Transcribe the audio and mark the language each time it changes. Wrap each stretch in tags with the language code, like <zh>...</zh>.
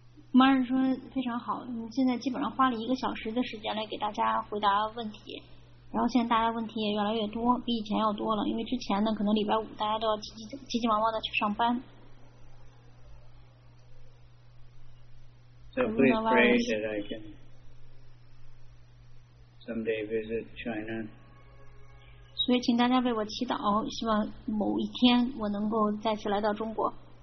<zh>马尔说非常好，你现在基本上花了一个小时的时间来给大家回答问题，然后现在大家问题也越来越多，比以前要多了，因为之前呢可能礼拜五大家都要急急忙忙的去上班。</zh> <en>So please pray that I can someday visit China.</en> <zh>所以请大家为我祈祷，希望某一天我能够再次来到中国。</zh>